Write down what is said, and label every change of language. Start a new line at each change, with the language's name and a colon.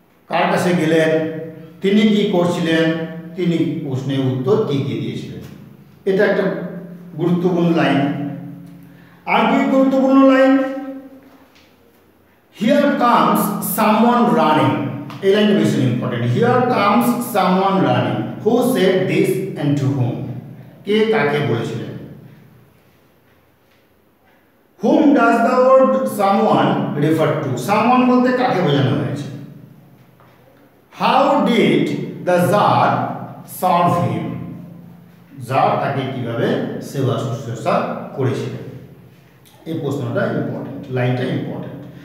Bangla: কার কাছে গেলেন তিনি কি করছিলেন তিনি প্রশ্নের উত্তর কি দিয়ে দিয়েছিলেন এটা একটা গুরুত্বপূর্ণ লাইন আর কি গুরুত্বপূর্ণ line
English: here comes someone running
Bangla: এই লাইন ভীষণ important here comes someone running
English: who said this and to whom
Bangla: কে কাকে বলেছিলেন
English: Whom does the word someone refer to?
Bangla: Someone বলতে কাকে বোঝানো হয়েছে?
English: How did the czar serve him?
Bangla: Czar তাকে কিভাবে সেবা শুশ্রূষা করেছিলেন? এই প্রশ্নটা ইম্পর্টেন্ট, লাইনটা ইম্পর্টেন্ট।